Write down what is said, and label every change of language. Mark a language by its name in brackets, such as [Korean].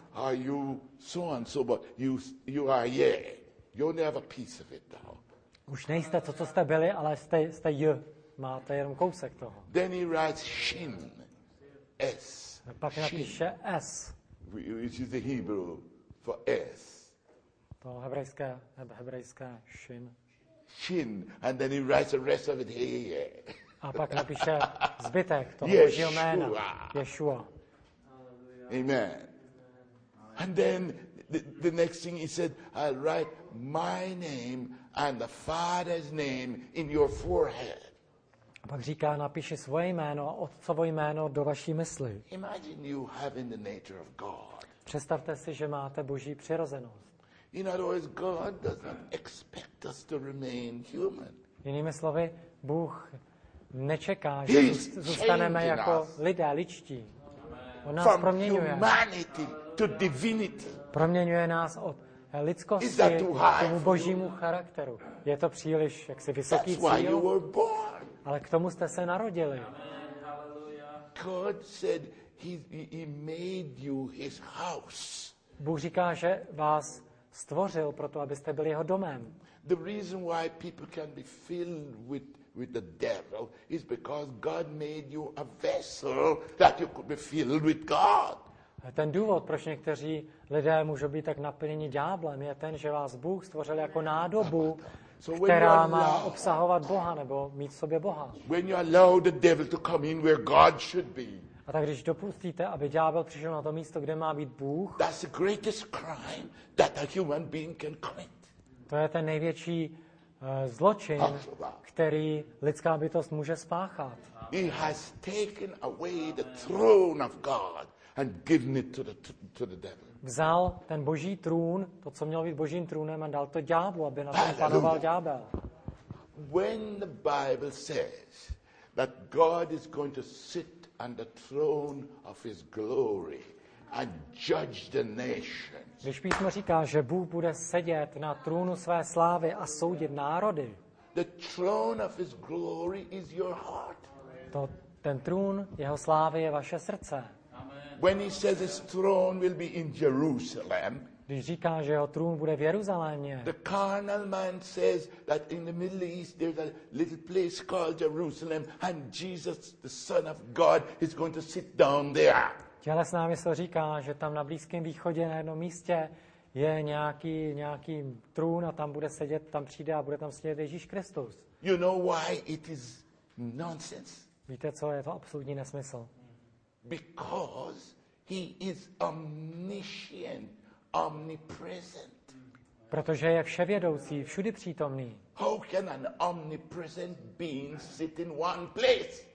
[English] Are you so and so, but you are yeah. You only have a piece of it now. [Czech] Už nejste to, co jste byli, ale jste j. Máte jenom kousek toho. [English] Then he writes shin. S. [Czech] A pak napíše S. [English] Which is the Hebrew for S. [Czech] To hebrejské, shin. [Hebrew] Shin. [English] And then he writes the rest of it here. Yeah. [Czech] A pak napíše zbytek toho Božího jména. [Hebrew] Yeshua. [English] Amen. And then the next thing he said, I'll write my name and the Father's name in your forehead. [Czech] A pak říká, napíši svoje jméno a otcovo jméno do vaší mysli. [English] Imagine you having the nature of God. [Czech] Představte si, že máte Boží přirozenost. [English] In other words, God does not expect us to remain human. [Czech] Jinými slovy, Bůh nečeká, že zůstaneme jako lidé, ličtí. On nás [English] from humanity to divinity. [Czech] Proměňuje nás od lidskosti k tomu Božímu charakteru. Je to příliš jaksi vysoký cíl. Ale k tomu jste se narodili. [English] God said he made you his house. [Czech] Bůh říká, že vás stvořil proto, abyste byli jeho domem. [English] The reason why people can be filled with the devil is because God made you a vessel that you could be filled with God. [Czech] Ten důvod, proč někteří lidé můžou být tak naplněni ďáblem, je ten, že vás Bůh stvořil jako nádobu, která má obsahovat Boha nebo mít v sobě Boha. [English] When you allow the devil to come in where God should be. [Czech] A tak když dopustíte, aby ďábel přišel na to místo, kde má být Bůh. [English] That's the greatest crime that a human being can commit. [Czech] To je ten největší zločin, který lidská bytost může spáchat. [English] He has taken away the throne of God and given it to the devil. [Czech] Vzal ten boží trůn, to, co mělo být božím trůnem, a dal to ďáblu, aby na tom panoval ďábel. [English] When the Bible says that God is going to sit on the throne of his glory and judge the nations. [Czech] Když písmo říká, že Bůh bude sedět na trůnu své slávy a soudit národy. [English] The throne of his glory is your heart. [Czech] To, ten trůn jeho slávy je vaše srdce. [English] When he says his throne will be in Jerusalem, [Czech] když říká, že jeho trůn bude v Jeruzalémě, [English] the carnal man says that in the Middle East there's a little place called Jerusalem and Jesus, the Son of God, is going to sit down there. [Czech] Tělesná mysl říká, že tam na Blízkém východě na jednom místě je nějaký trůn a tam bude sedět, tam přijde a bude tam sedět Ježíš Kristus. [English] You know why it is nonsense? [Czech] Víte co, je to absolutní nesmysl. [English] Because he is omniscient, omnipresent. [Czech] Protože je vševědoucí, všudy přítomný. [English] How can an omnipresent being sit in one place?